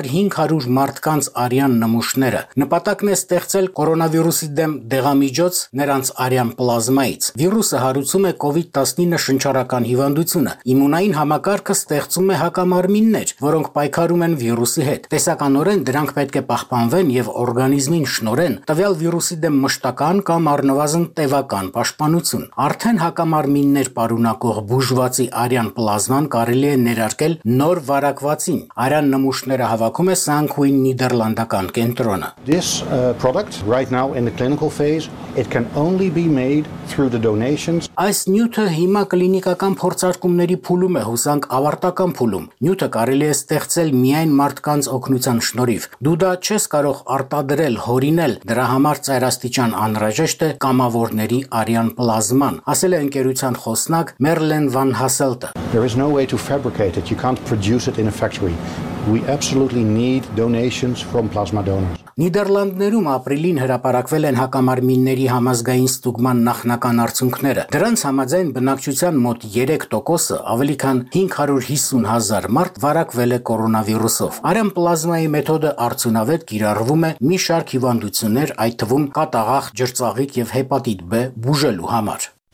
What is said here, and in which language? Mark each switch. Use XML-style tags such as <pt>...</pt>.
<hy>2500 մարդկանց արյան նմուշները։ Նպատակն է ստեղծել կորոնավիրուսի դեմ դեղամիջոց նրանց արյան պլազմայից։ Վիրուսը հարուցում է COVID-19 շնչառական հիվանդությունը։ Իմունային համակարգը ստեղծում է հակամարմիններ, որոնք պայքարում են վիրուսի հետ։ Տեսականորեն դրանք պետք է պահպանվեն և օրգանիզմին շնորեն տվյալ վիրուսի դեմ մշտական կամ առնվազն տևական պաշտպանություն։ Արդեն հակամարմիններ պարունակող բուժվածի արյան պլազման կարելի է ներարկել նոր վարակվածին։ Արյան նմուշները հավաքում է Սանքուին Նիդերլանդական կենտրոնը։</hy> <en>This product right now in the clinical phase, it can only be made through the donations.</en> <hy>Այս նյութը հիմա կլինիկական փորձարկումների փուլում է, հուսանք ավարտական փուլում։ Նյութը կարելի է ստեղծել միայն մարդկանց օգնության շնորհիվ։ Դու դա չես կարող արտադրել, հորինել, դրա համար ծայրաստիճան անհրաժեշտ է կամավորների արյան պլազման, ասել է ընկերության խոսնակ Մերլեն Վան Հասելտը։</hy> <en>There is no way to fabricate it. You can't produce it in a factory. We absolutely need donations from plasma donors.</en> <hy>Նիդերլանդներում ապրիլին հրապարակվել են հակամարմինների համազգային ստուգման նախնական արդյունքները։ Դրանց համաձայն բնակչության մոտ 3%-ը, ավելի քան 550 000 մարդ վարակվել է կորոնավիրուսով։ Արյան պլազմայի մեթոդը արդյունավետ կիրառվում է մի շարք հիվանդություններ, այդ թվում կատաղախ, ջրծաղիկ և հեպատիտ B բուժելու համար։</hy>